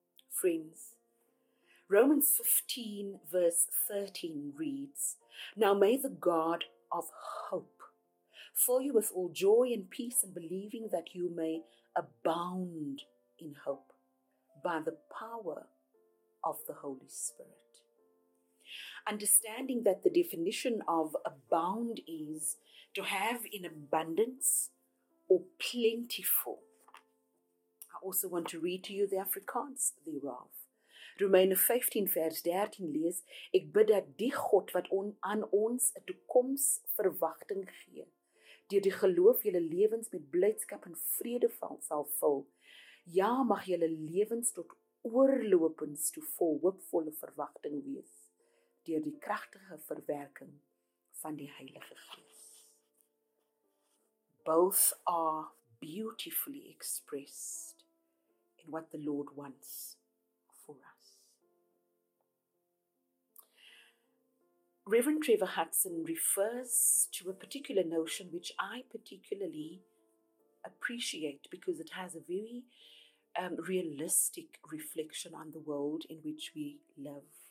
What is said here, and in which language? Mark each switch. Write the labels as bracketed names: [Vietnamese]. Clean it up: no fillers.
[English] Friends, Romans 15 verse 13 reads, "Now may the God of hope fill you with all joy and peace in believing, that you may abound in hope by the power of the Holy Spirit." Understanding that the definition of abound is to have in abundance or plentiful. Also want to read to you the Afrikaans thereof. [Afrikaans] Romeine 15 vers 13 lees, "Ek bid dat die God wat aan ons 'n toekomsverwagting gee, deur die geloof julle lewens met blydskap en vrede sal vul. Ja, mag julle lewens tot oorlopends toe vol hoopvolle verwagting wees, deur die kragtige verwerking van die Heilige Gees." [English] Both are beautifully expressed in what the Lord wants for us. Reverend Trevor Hudson refers to a particular notion which I particularly appreciate because it has a very realistic reflection on the world in which we live.